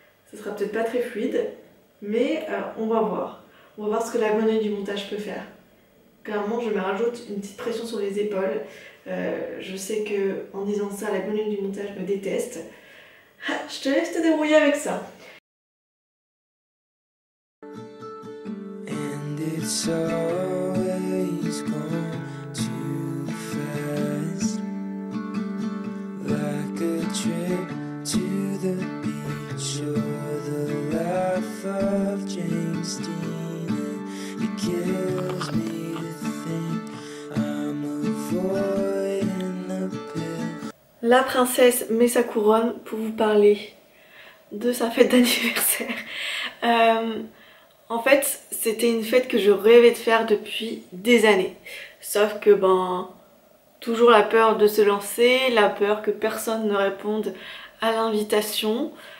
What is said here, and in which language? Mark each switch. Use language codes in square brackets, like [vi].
[fr] Ce sera peut-être pas très fluide, mais on va voir. On va voir ce que la bonne du montage peut faire. Clairement, je me rajoute une petite pression sur les épaules. Je sais que en disant ça, la bonne du montage me déteste. Ha, je te laisse te débrouiller avec ça. [en] And it's always gone too fast. Like a trip to the beach or the life of James Dean. Kills me to think I'm avoiding the pill. [fr] La princesse met sa couronne pour vous parler de sa fête d'anniversaire. En fait, c'était une fête que je rêvais de faire depuis des années. Sauf que, ben, toujours la peur de se lancer, la peur que personne ne réponde à l'invitation.